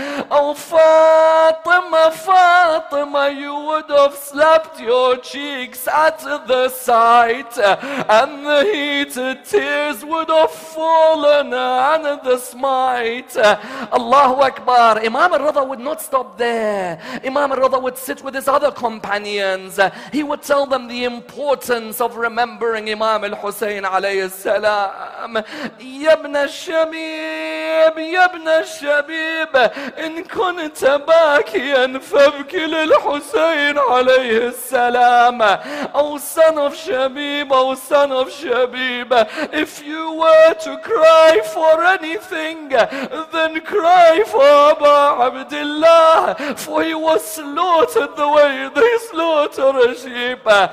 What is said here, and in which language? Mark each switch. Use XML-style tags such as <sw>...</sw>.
<en>Oh, Fatima, Fatima, you would have slapped your cheeks at the sight, and the heated tears would have fallen on the smite.</en> <ar>Allahu Akbar.</ar> <en>Imam al-Ridha would not stop there. Imam al-Ridha would sit with his other companions. He would tell them the importance of remembering Imam al-Husayn alayhi salam.</en> <ar>يبن الشبيب يبن الشبيب إن كنت باكيا فابكي للحسين عليه السلام.</ar> <en>Oh son of شبيب, oh son of شبيب, if you were to cry for anything, then cry for Aba Abdullah, for he was slaughtered the way they slaughter a sheep.</en>